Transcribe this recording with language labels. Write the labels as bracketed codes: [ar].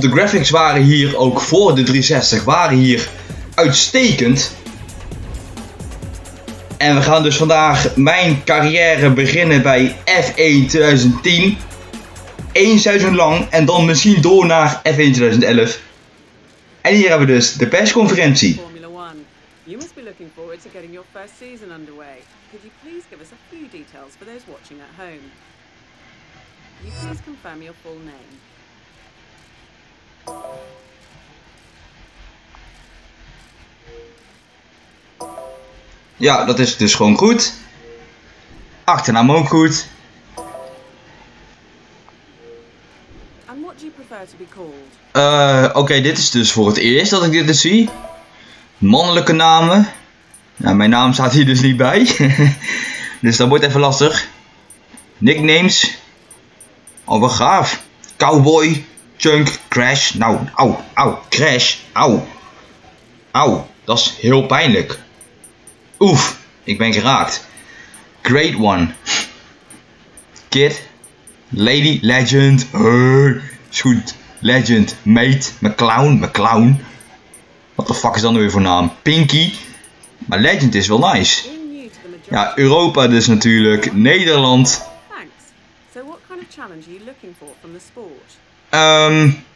[nl] De graphics waren hier ook voor de 360. Waren hier uitstekend. En we gaan dus vandaag mijn carrière beginnen bij F1 2010. Eén seizoen lang. En dan misschien door naar F1 2011. En hier hebben we dus de persconferentie. [en] You must be looking forward to getting your first season underway. Could you please give us a few details for those watching at home? You please confirm your full name. [nl] Ja, dat is dus gewoon goed. Achternaam ook goed. [en] And what do you prefer to be called? [nl] Oké, dit is dus voor het eerst dat ik dit dus zie. Mannelijke namen. Nou, mijn naam staat hier dus niet bij. Dus dat wordt even lastig. Nicknames. Oh, wat gaaf. Cowboy. Chunk. Crash. Nou, au, au. Crash. Au. Au. Dat is heel pijnlijk. Oef. Ik ben geraakt. [en] Great one. [nl] Kid. Lady. Legend. Is goed. Legend. Mate. McClown. [en] What the fuck [nl] is dan weer voor naam? Pinky. Maar Legend is wel nice. Ja, Europa dus natuurlijk. Nederland. [en] So what kind of challenge are you looking for from the sport?